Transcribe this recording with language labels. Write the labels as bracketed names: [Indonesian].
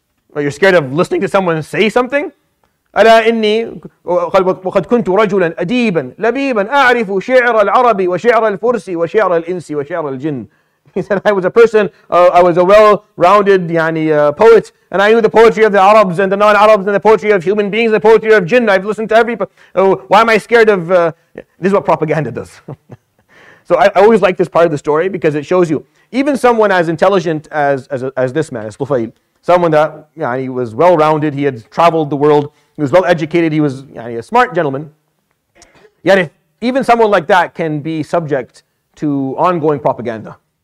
[English] Or you're scared of listening to someone say something? [Arabic] ألا إني وقد كنت رجلا أديبا لبيبا أعرف شعر العربي وشعر الفرسي وشعر الإنس وشعر الجن. [English] He said, I was a person, I was a well-rounded poet, and I knew the poetry of the Arabs and the non-Arabs and the poetry of human beings, the poetry of jinn. I've listened to every... why am I scared of... This is what propaganda does. So I always like this part of the story, because it shows you, even someone as intelligent as this man, as Tufayl, someone that he was well-rounded, he had traveled the world, he was well-educated, he was a smart gentleman, yet if even someone like that can be subject to ongoing propaganda.